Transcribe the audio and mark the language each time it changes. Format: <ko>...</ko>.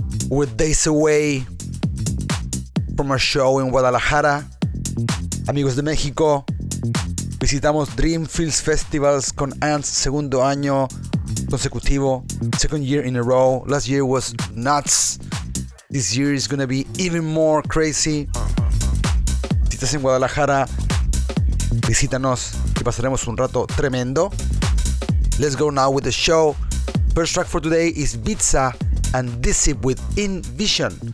<en>We're days away from our show in Guadalajara.</en> <es>Amigos de México, visitamos Dreamfields Festivals con ANTS segundo año consecutivo,</es> <en>second year in a row. Last year was nuts. This year is gonna be even more crazy.</en> <es>Si estás en Guadalajara, visítanos y pasaremos un rato tremendo.</es> <en>Let's go now with the show. First track for today is Bizza and Discip with In Vision.</en>